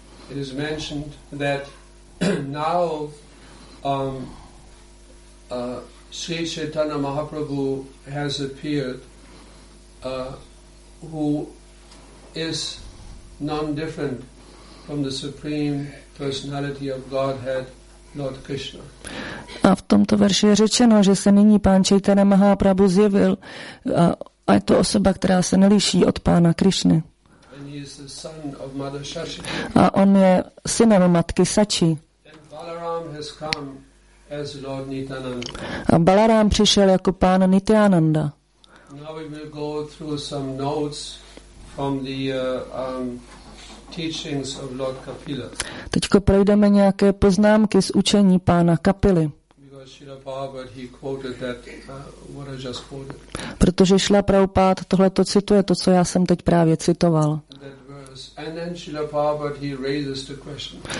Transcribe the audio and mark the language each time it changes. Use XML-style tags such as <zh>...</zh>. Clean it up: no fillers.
<en>It is mentioned that now Sri Chaitanya Mahaprabhu has appeared, who is none different from the Supreme Personality of Godhead, Lord Krishna.</en> <cs>A v tomto verši je řečeno, že se nyní pán Chaitanya Mahaprabhu zjevil, a je to osoba, která se neliší od pána Krishny.</cs> <en>And he is the son of Mother Shashi.</en> <cs>A on je synem matky Sachi.</cs> <en>And Balaram has come. As Lord Nityananda.</en> <cs>A Balarám přišel jako pán Nityananda.</cs> <en>Now we will go through some notes from the teachings of Lord Kapila.</en> <cs>Teďko projdeme nějaké poznámky z učení pána Kapily.</cs> <en>Because Srila Prabhupada, he quoted that what I just quoted.</en> <cs>Protože Srila Prabhupada tohleto cituje, to co já jsem teď právě citoval.</cs> <en>And then Srila Prabhupada, he raises the question.</en>